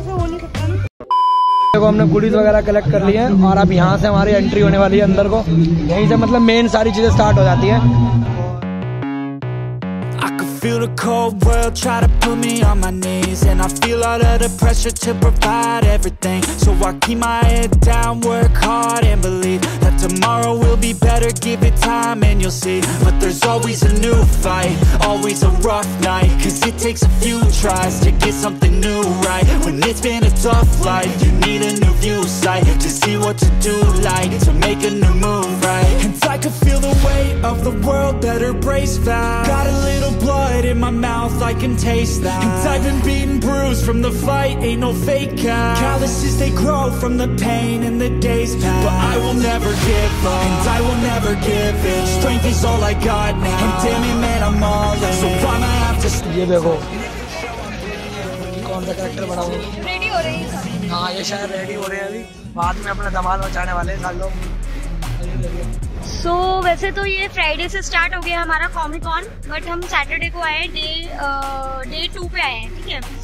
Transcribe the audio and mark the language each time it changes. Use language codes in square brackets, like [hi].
[hi] देखो हमने गुड़ीज वगैरह कलेक्ट कर लिए हैं और अब यहाँ से हमारी एंट्री होने वाली है अंदर को, यहीं से मतलब मेन सारी चीजें स्टार्ट हो जाती है। [en] Feel the cold world try to put me on my knees, and I feel all of the pressure to provide everything. So I keep my head down, work hard, and believe that tomorrow will be better. Give it time and you'll see. But there's always a new fight, always a rough night. Cause it takes a few tries to get something new right. When it's been a tough life, you need a new view sight to see what to do, like to make a new move right. And I could feel the weight of the world, better brace fast. Got a little blood in my mouth, I can taste that. And I've been beaten, bruised from the fight, ain't no fake out. Calluses, they grow from the pain and the days pass. But I will never give up, and I will never give in. Strength is all I got now, and damn it, man, I'm all in. So why am I have to stay? [hi] Yeah, देखो कौन सा character बड़ा हो, ready हो रही है। हाँ, ये शायद रेडी हो रहे हैं, अभी बाद में अपना धमाल मचाने वाले हैं सब लोग। सो वैसे तो ये फ्राइडे से स्टार्ट हो गया हमारा कॉमिक कॉन, बट हम सैटरडे को आए, डे टू पे आए हैं, ठीक है।